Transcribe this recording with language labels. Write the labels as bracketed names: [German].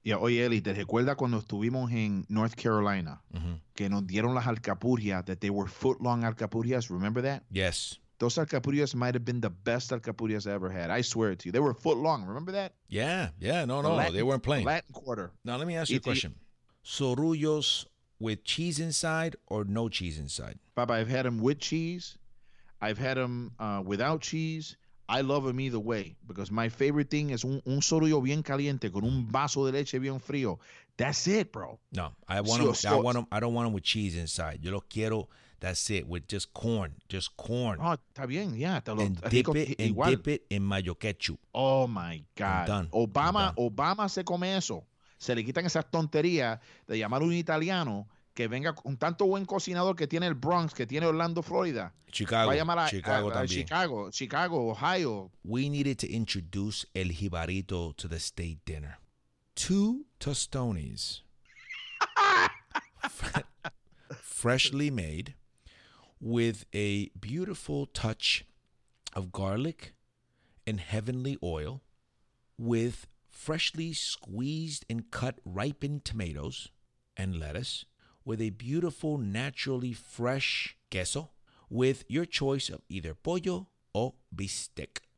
[Spanish] Yeah, oye, Eli, ¿te recuerdas cuando estuvimos en North Carolina? Mm-hmm. Que nos dieron las alcapurrias, [English] that they were foot-long [Spanish] alcapurrias. [English] Remember that? Yes. Those alcapurrias might have been the best alcapurrias I ever had. I swear it to you. They were foot-long. Remember that? Yeah. No. They weren't playing. Latin Quarter. Now, let me ask you a question. Sorullos with cheese inside or no cheese inside? Papa, I've had them with cheese. I've had them without cheese. I love them either way because my favorite thing is [Spanish] un sorullo bien caliente con un vaso de leche bien frío. [English] That's it, bro. No, I want them. I don't want them with cheese inside. [Spanish] Yo lo quiero. [English] That's it. With just corn. [Spanish] Oh, está bien. Yeah. [English] Dip it in mayo ketchup. Oh my God. I'm done. [Spanish] Obama se come eso. Se le quitan esas tonterías de llamar un italiano que venga un tanto buen cocinador que tiene el Bronx, que tiene Orlando, Florida. Chicago. Va a llamar a Chicago, Ohio. [English] We needed to introduce el jibarito to the state dinner. Two tostones. freshly made with a beautiful touch of garlic and heavenly oil with freshly squeezed and cut ripened tomatoes and lettuce with a beautiful, naturally fresh queso with your choice of either pollo or bistec.